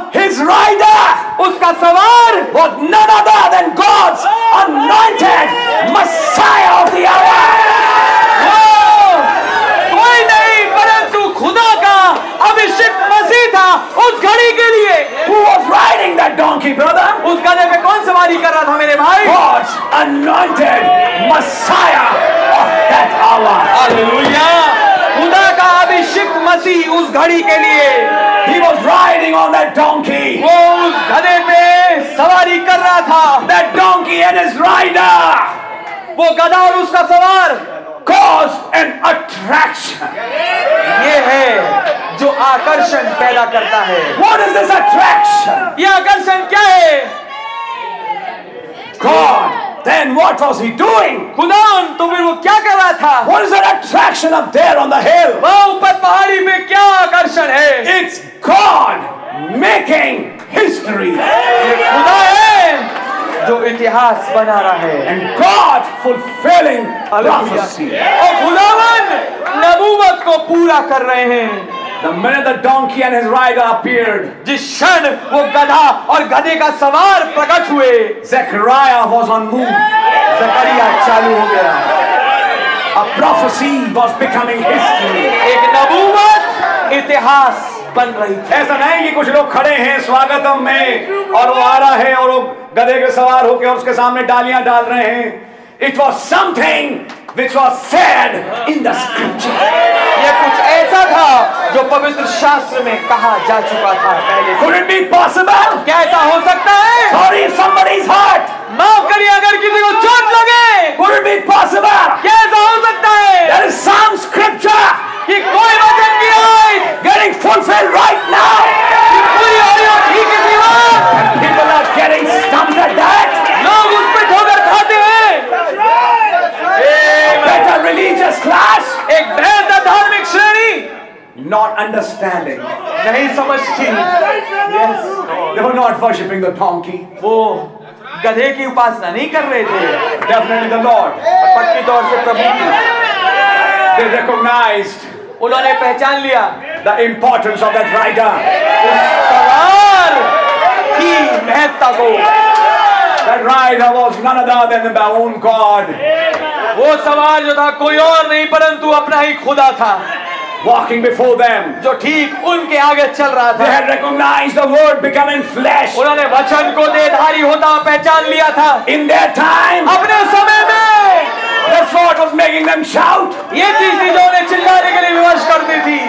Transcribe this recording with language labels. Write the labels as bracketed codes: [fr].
[en] his rider [hi] उसका सवार [en] Was none other than God's anointed मसीहा of the hour. [hi] कोई नहीं परंतु खुदा का अभिषेक मसीह था उस घड़ी के लिए. [en] Who was riding that donkey, brother? [hi] उस गधे पे कौन सवारी कर रहा था मेरे भाई? [en] God's anointed Messiah of that hour. Hallelujah. [hi] खुदा का अभिषेक मसीह उस घड़ी के लिए. [en] He was riding on that donkey. [hi] वो उस गधे पे सवारी कर रहा था. [en] That donkey and his rider. [hi] वो गधा और उसका सवार. [en] Cause an attraction. [hi] ये है जो आकर्षण पैदा करता है. [en] What is this attraction? [hi] ये आकर्षण क्या है? [en] God. Then what was he doing? [hi] खुदावन तो फिर वो क्या कर रहा था? [en] What is that attraction up there on the hill? [hi] वो ऊपर पहाड़ी में क्या आकर्षण है? [en] It's God making history. [hi] ये खुदा है. जो इतिहास बना रहा है. [en] And God fulfilling prophecy. [hi] और खुदावन नबूवत को पूरा कर रहे हैं. [en] The minute the donkey and his rider appeared. [hi] जिस क्षण वो गधा और गधे का सवार प्रकट हुए. [en] Zechariah was on move. [hi] Zakaria चालू हो गया. [en] A prophecy was becoming history. [hi] एक नबूवत इतिहास बन रही थी. ऐसा नहीं कि कुछ लोग खड़े हैं स्वागतम में और वो आ रहा है और वो गधे के सवार होके और उसके सामने डालियां डाल रहे हैं. [en] It was something which was said in the scripture. [hi] ये कुछ ऐसा था जो पवित्र शास्त्र में कहा जा चुका था पहले. [en] Could it be possible? [hi] क्या ऐसा हो सकता है? [en] Sorry, somebody's hurt. [hi] माफ करिए अगर किसी को चोट लगे. [en] Could it be possible? [hi] क्या ऐसा हो सकता है? [en] There is some scripture. [hi] कि कोई वचन की आयत [en] getting fulfilled right now. [hi] कि पूरी हो रही है ठीक है दीवार. [en] People are getting stumped at that. [hi] लोग उस पे ठोकर खाते हैं. [en] Better religious class. [hi] एक बेहतर धार्मिक श्रेणी. [en] Not understanding. [hi] नहीं समझती. [en] Yes. They were not worshipping the donkey. [hi] वो गधे की उपासना नहीं कर रहे थे. [en] Definitely the Lord. [hi] पक्की तौर से प्रभु. [en] They recognized. [hi] उन्होंने पहचान लिया. [en] The importance of that rider. [hi] सवार की महत्ता को. [en] That rider was none other than the own God. [hi] वो सवार जो था कोई और नहीं परंतु अपना ही खुदा था. [en] Walking before them. [hi] जो ठीक उनके आगे चल रहा था. [en] They had recognized the word becoming flesh. [hi] उन्होंने वचन को देहधारी होता पहचान लिया था. [en] In their time. [hi] अपने समय में. [en] That's what was making them shout. [hi] ये चीज़ थी जो उन्हें चिल्लाने के लिए विवश करती थी.